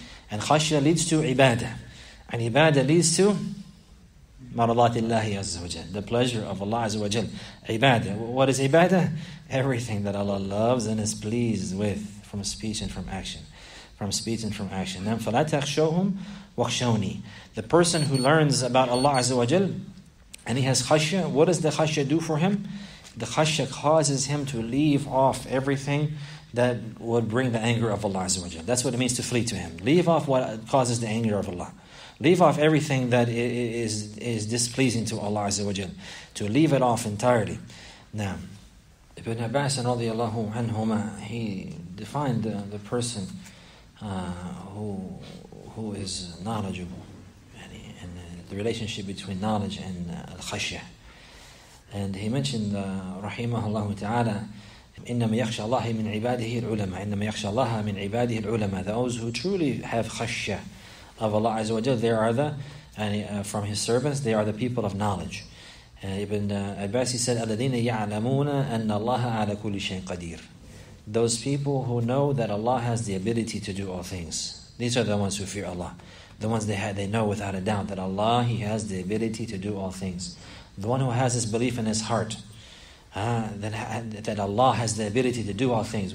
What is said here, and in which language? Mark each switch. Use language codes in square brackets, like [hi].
[en] And khashya leads to ibadah. And ibadah leads to maradatillahi azza wa jal, the pleasure of Allah azza wa jal. Ibadah. What is ibadah? Everything that Allah loves and is pleased with, from speech and from action. From speech and from action. [ar] Now, فَلَا تَخْشَوْهُمْ وَخْشَوْنِي. [en] The person who learns about Allah azza wa jal, and he has khashya. What does the khashya do for him? The khashya causes him to leave off everything that would bring the anger of Allah Azza wa Jalla. That's what it means to flee to him. Leave off what causes the anger of Allah. Leave off everything that is displeasing to Allah Azza wa Jalla. To leave it off entirely. Now, Ibn Abbas radiallahu anhuma, he defined the person who is knowledgeable. The relationship between knowledge and al-khashya. And he mentioned, rahimahullah ta'ala, [ar] إِنَّمَا يَخْشَى اللَّهِ مِنْ عِبَادِهِ الْعُلَمَةِ إِنَّمَا يَخْشَى اللَّهَ مِنْ عِبَادِهِ الْعُلَمَةِ. [en] Those who truly have khashya of Allah Azza wa Jal, they are from His servants, they are the people of knowledge. [ar] Ibn Abbas, [en] he said, [ar] أَلَّذِينَ يَعْلَمُونَ أَنَّ اللَّهَ عَلَى كُلِّ شَيْءٍ قَدِيرٍ. [en] Those people who know that Allah has the ability to do all things. These are the ones who fear Allah. The ones they know without a doubt that Allah, He has the ability to do all things. The one who has this belief in his heart, that Allah has the ability to do all things.